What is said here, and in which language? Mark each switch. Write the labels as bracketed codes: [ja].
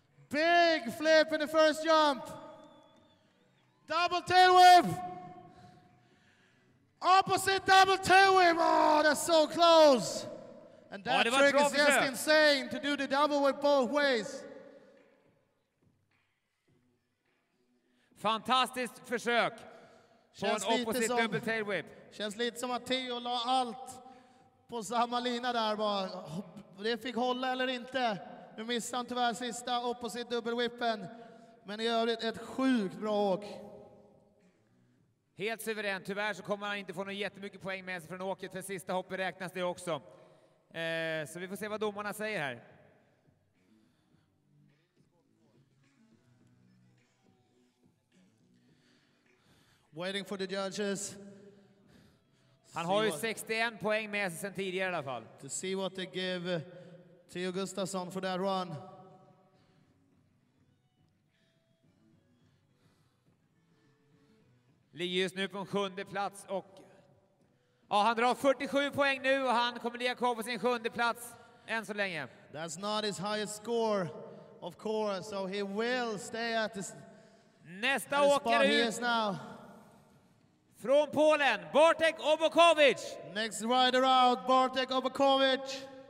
[en] Big flip in the first jump. Double tail whip. Opposite double tail whip. Oh, that's so close. And that trick is just insane to do the double with both ways. [sv] Fantastiskt försök på en opposite double tail whip. Känns lite som att Theo la allt på samma lina där. Bara, det fick hålla eller inte. Nu missade han tyvärr sista opposite double whippen. Men i övrigt ett sjukt bra åk. Helt suverän. Tyvärr så kommer han inte få någon jättemycket poäng med sig från åket. För sista hoppet räknas det också. Så vi får se vad domarna säger här. [en] Waiting for the judges. [sv] Han har ju 61 poäng med sig sen tidigare i alla fall. [en] To see what they give Theo Gustafsson for that run. [sv] Ligger just nu på sjunde plats och ja, han drar 47 poäng nu och han kommer ligga kvar på sin sjunde plats än så länge. [en] That's not his highest score, of course, so he will stay at his [sv] nästa [en] at his [sv] åkare [en] is now. [sv] Från Polen, Bartek Obukowicz. [en] Next rider out, Bartek Obukowicz.